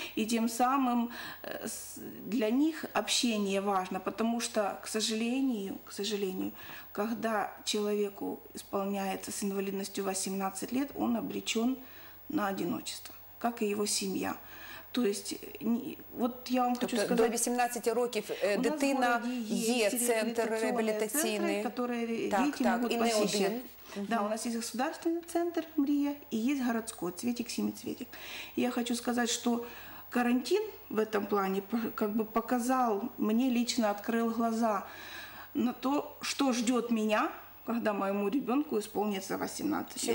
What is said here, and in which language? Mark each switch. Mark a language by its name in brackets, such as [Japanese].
[Russian] И тем самым для них общение важно, потому что, к сожалению, когда человеку исполняется с инвалидностью 18 лет, он обречен на одиночество, как и его семья. То есть, вот я вам хочу сказать... [Ukrainian] До 18 років дитина є центр реабілітаційний. Центри, які не один. [Russian] Да, у нас есть государственный центр «Мрия» и есть городской «Цветик, семицветик». Я хочу сказать, что карантин в этом плане как бы показал, мне лично открыл глаза на то, что ждет меня, когда моему ребенку исполнится 18 лет.